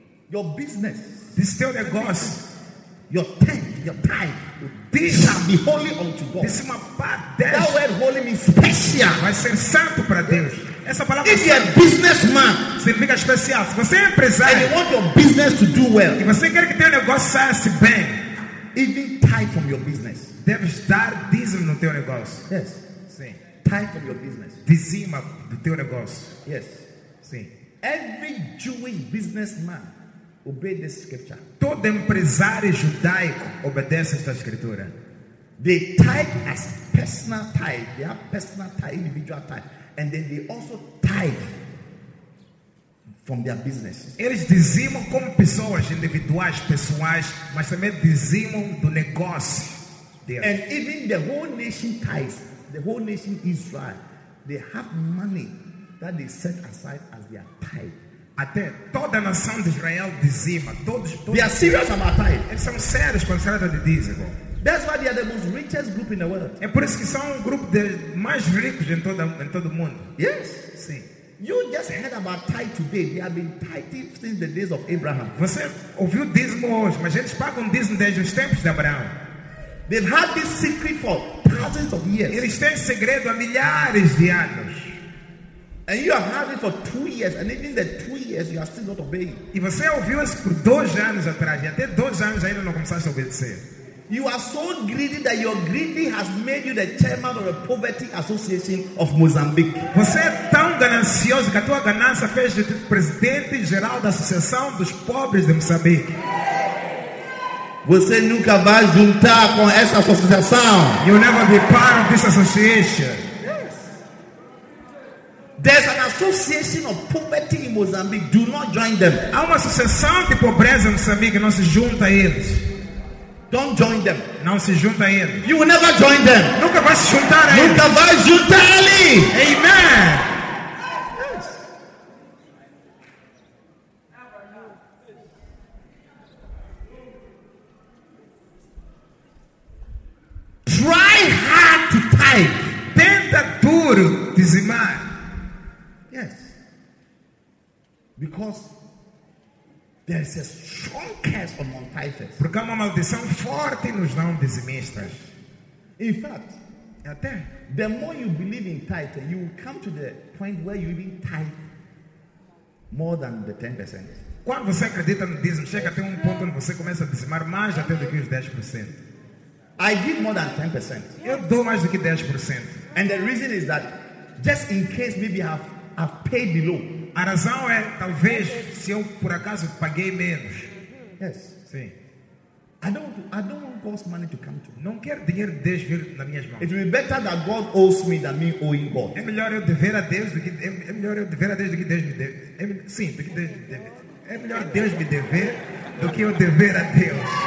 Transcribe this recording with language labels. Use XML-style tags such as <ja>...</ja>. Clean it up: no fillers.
<en>Your business. This is still the gospel. Your tenth, your tithe. This shall be holy unto God. This is my part. Death. That word holy means special.</en> <pt>Vai ser santo para Deus. Essa palavra</pt> <en>if you're a businessman,</en> <pt>significa especial. Se você é empresário,</pt> <en>and you want your business to do well,</en> <pt>e você quer que teu negócio saia se bem,</pt> <en>even tithe from your business.</en> <pt>Deves dar dízimo no teu negócio.</pt> <en>Yes.</en> <pt>Sim.</pt> <en>Tithe from your business.</en> <pt>Dízimo do teu negócio.</pt> <en>Yes.</en> <pt>Sim.</pt> <en>Every Jewish businessman obey this scripture.</en> <pt>Todo empresário judaico obedece esta escritura.</pt> <en>They tithe as personal tithe. They have personal tithe, individual tithe. And then they also tithe from their businesses.</en> <pt>Eles dizimam como pessoas individuais, pessoais, mas também dizimam do negócio deles.</pt> <en>And even the whole nation tithes, the whole nation Israel, they have money that they set aside as their tithe.</en> <pt>Até toda a nação de Israel dizima.</pt> <en>They are serious about tithe.</en> <pt>Eles são sérios quando se trata de dízimo.</pt> <en>That's why they are the most richest group in the world.</en> <pt>É por isso que são grupo de mais ricos em todo o mundo.</pt> <en>Yes.</en> <pt>Sim.</pt> <en>You just heard about tithe today. They have been tithing since the days of Abraham.</en> <pt>Você ouviu dízimo hoje, mas eles pagam dízimo desde os tempos de Abraão.</pt> <en>They've had this secret for thousands of years.</en> <pt>Eles têm segredo há milhares de anos.</pt> <en>And you have had it for 2 years, and even the 2 years, you are still not obeying.</en> <pt>E você ouviu isso por 2 anos atrás, e até 2 anos ainda não começaste a obedecer.</pt> <en>You are so greedy that your greed has made you the chairman of the Prophetic Association of Mozambique.</en> <pt>Você é tão ganancioso que a tua ganância fez de ti presidente geral da Associação dos Pobres de Moçambique. Você nunca vai juntar com essa associação.</pt> <en>You'll never be part of this association. Yes. There's an association of poverty in Mozambique. Do not join them.</en> <pt>Há uma associação de pobreza em Moçambique. Não se junta a eles.</pt> <en>Don't join them.</en> <pt>Não se junta a ele.</pt> <en>You will never join them.</en> <pt>Nunca vai se juntar a ele. Nunca vai juntar ali.</pt> <en>Amen. Yes. Try hard to tithe.</en> <pt>Tenta duro dizimar.</pt> <en>Yes. Because there is a strong curse on non-tithers.</en> <pt>Porque há uma maldição forte nos não dizimistas.</pt> <en>In fact,</en> <pt>até</pt> <en>the more you believe in tithe, you will come to the point where you even tithe more than the 10%.</en> <pt>Quando você acredita no dízimo, chega até um ponto onde você começa a dizimar mais até do que os 10%.</pt> <en>I give more than 10%.</en> <pt>Eu dou mais do que 10%.</pt> <en>And the reason is that just in case maybe I've paid below.</en> <pt>A razão é talvez se eu por acaso paguei menos.</pt> <en>Yes.</en> <pt>Sim.</pt> <en>I don't want God's money to come to me.</en> <pt>Não quero dinheiro de Deus vir nas minhas mãos.</pt> <en>It will be better that God owes me than me owing God.</en> <pt>É melhor eu dever a Deus do que É melhor Deus me dever do que eu dever a Deus.</pt>